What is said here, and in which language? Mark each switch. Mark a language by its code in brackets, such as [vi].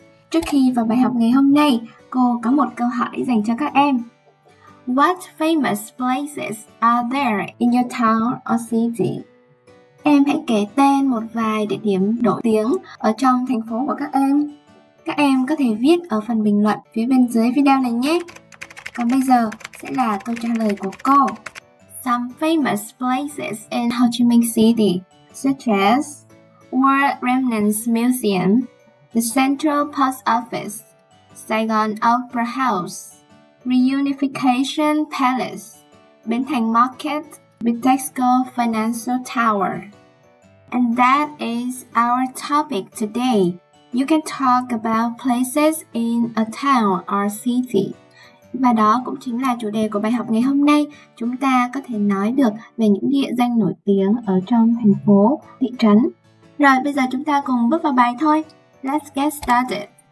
[vi] Trước khi vào bài học ngày hôm nay, cô có một câu hỏi dành cho các em. [en] What famous places are there in your town or city? [vi] Em hãy kể tên một vài địa điểm nổi tiếng ở trong thành phố của các em. Các em có thể viết ở phần bình luận phía bên dưới video này nhé. Còn bây giờ sẽ là câu trả lời của cô. [en] Some famous places in Ho Chi Minh City, such as War Remnants Museum, the Central Post Office, Saigon Opera House, Reunification Palace, Bến Thành Market, Bitexco Financial Tower. And that is our topic today. You can talk about places in a town or city. [vi] Và đó cũng chính là chủ đề của bài học ngày hôm nay. Chúng ta có thể nói được về những địa danh nổi tiếng ở trong thành phố, thị trấn. Rồi bây giờ chúng ta cùng bước vào bài thôi. [en] Let's get started.